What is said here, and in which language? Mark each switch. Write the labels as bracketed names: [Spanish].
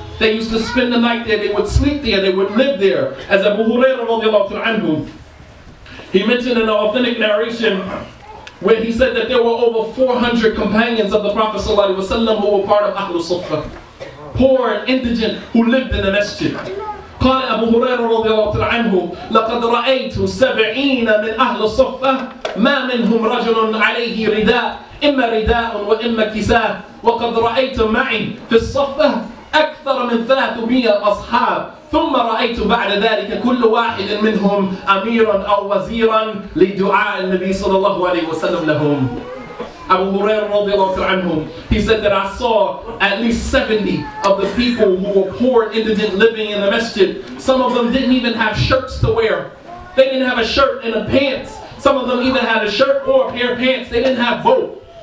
[English] They used to spend the night there, they would sleep there, they would live there. As Abu Hurairah radiallahu anhu, he mentioned in an authentic narration where he said that there were over 400 companions of the Prophet sallallahu alaihi wasallam who were part of Ahlul Safa, poor and indigent, who lived in the masjid. [Arabic] قال أبو هريرة رضي الله عنه لقد رأيت سبعين من أهل الصفة ما منهم رجل عليه رداء إما رداء وإما كساء وقد رأيت معي في الصفة أكثر من 300 أصحاب ثم رأيت بعد ذلك كل واحد منهم أميرا أو وزيرا لدعاء النبي صلى الله عليه وسلم لهم. [English] Abu Hurairah radiallahu anhu, he said that I saw at least 70 of the people who were poor and indigent living in the masjid. Some of them didn't even have shirts to wear. They didn't have a shirt and a pants. Some of them either had a shirt or a pair of pants. They didn't have both.